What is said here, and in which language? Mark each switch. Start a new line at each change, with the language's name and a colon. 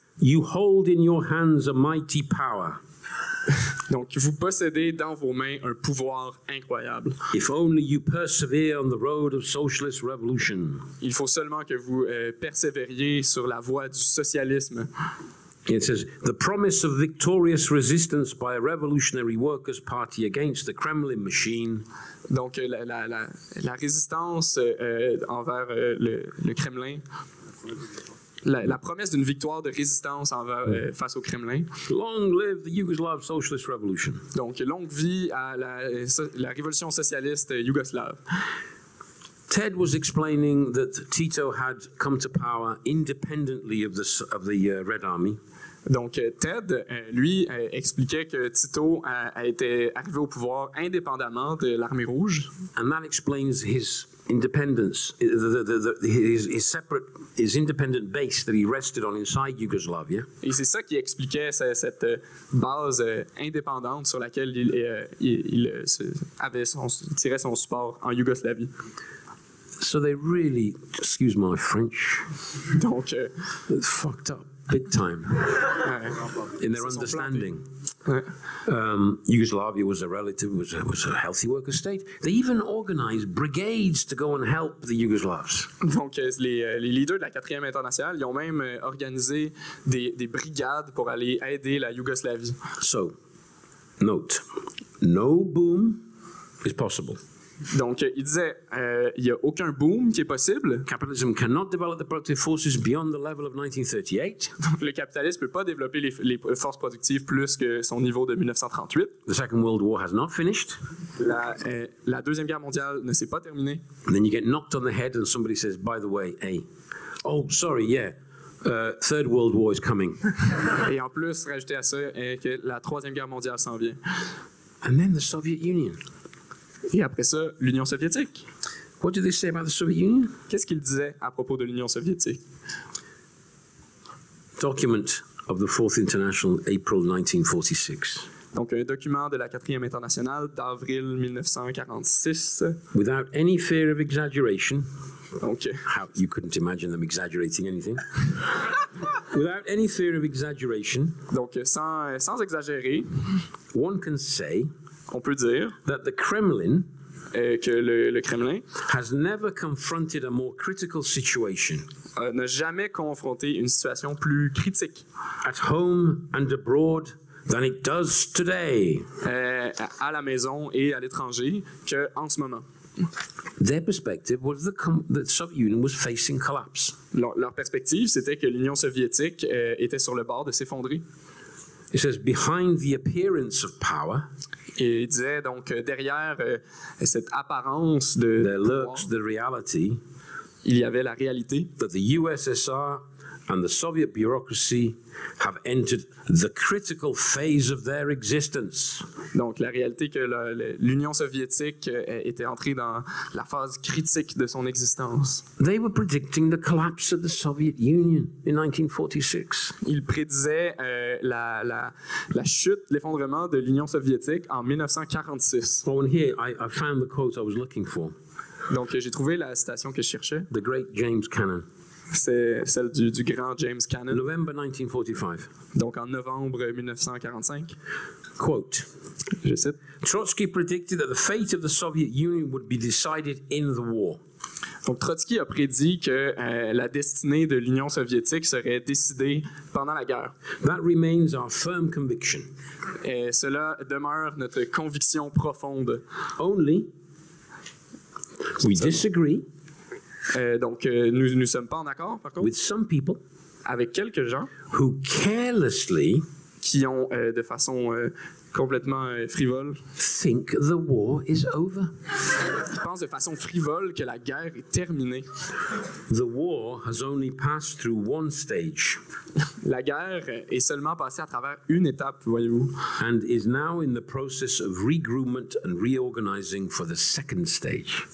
English: You hold in your hands a mighty power.
French: Donc, vous possédez dans vos mains un pouvoir incroyable.
English: If only you persevere on the road of socialist revolution.
French: Il faut seulement que vous persévériez sur la voie du socialisme.
English: It says, the promise of victorious resistance by a revolutionary workers' party against the Kremlin machine.
French: Donc, la résistance envers le Kremlin. La promesse d'une victoire de résistance envers, face au Kremlin.
English: Long live the Yugoslav socialist revolution.
French: Donc, longue vie à la révolution socialiste yougoslave.
English: Ted was explaining that Tito had come to power independently of the Red Army.
French: Donc, Ted, lui, expliquait que Tito a été arrivé au pouvoir indépendamment de l'armée rouge.
English: And that explains his independence, his separate, his independent base that he rested on inside Yugoslavia.
French: Et c'est ça qui expliquait cette base indépendante sur laquelle il tirait son support en Yougoslavie.
English: So they really, excuse my French,
French: donc,
English: fucked up. Big time in their understanding. Yugoslavia was a healthy worker state. They even organized brigades to go and help the Yugoslavs.
French: Donc les leaders de la quatrième internationale, ils ont même organisé des brigades pour aller aider la Yougoslavie.
English: So, note, no boom is possible.
French: Donc, il disait, il y a aucun boom qui est possible.
English: Capitalism cannot develop the productive forces beyond the level of 1938.
French: Donc, le capitalisme ne peut pas développer les forces productives plus que son niveau de 1938.
English: The Second World War has not finished.
French: La Deuxième Guerre mondiale ne s'est pas terminée.
English: And then you get knocked on the head and somebody says, by the way, hey, oh, sorry, yeah. Third World War is coming.
French: Et en plus, rajouter à ça, que la Troisième Guerre mondiale s'en vient.
English: And then the Soviet Union.
French: Et après ça, l'Union soviétique.
English: What did they say about the Soviet Union?
French: Qu'est-ce qu'ils disaient à propos de l'Union soviétique?
English: Document of the Fourth International, April 1946.
French: Donc un document de la quatrième internationale d'avril 1946.
English: Without any fear of exaggeration.
French: Donc,
English: you couldn't imagine them exaggerating anything. Without any fear of exaggeration.
French: Donc sans exagérer.
English: One can say.
French: On peut dire
English: that the Kremlin,
French: que le Kremlin
English: has never confronted a more critical situation.
French: N'a jamais confronté une situation plus critique.
English: At home and abroad than it does today.
French: À la maison et à l'étranger qu'en ce moment.
English: Their perspective was that the Soviet Union was facing collapse.
French: Leur perspective, c'était que l'Union soviétique était sur le bord de s'effondrer.
English: It says, behind the appearance of power.
French: Et il disait donc derrière cette apparence de
English: there lurks the reality,
French: il y avait la réalité.
English: That the USSR and the Soviet bureaucracy have entered the critical phase of their existence.
French: Donc la réalité que l'Union soviétique était entrée dans la phase critique de son existence.
English: They were predicting the collapse of the Soviet Union in 1946.
French: Ils prédisaient la chute, l'effondrement de l'Union soviétique en 1946.
English: Oh, and here I found the quote I was looking for.
French: Donc j'ai trouvé la citation que je cherchais.
English: The great James Cannon.
French: C'est celle du grand James Cannon.
English: November 1945.
French: Donc en novembre 1945.
English: Quote.
French: Je cite.
English: Trotsky predicted that the fate of the Soviet Union would be decided in the war.
French: Donc Trotsky a prédit que la destinée de l'Union soviétique serait décidée pendant la guerre.
English: That remains our firm conviction.
French: Et cela demeure notre conviction profonde.
English: Only. We disagree.
French: Donc, nous sommes pas en accord, par contre,
English: with some people
French: avec quelques gens
English: who carelessly
French: qui ont de façon complètement frivole
English: think the war is over.
French: Ils pensent de façon frivole que la guerre est terminée.
English: The war has only passed through one stage.
French: La guerre est seulement passée à travers une étape, voyez-vous,
English: and is now in the process of regroupment and reorganizing for the second stage.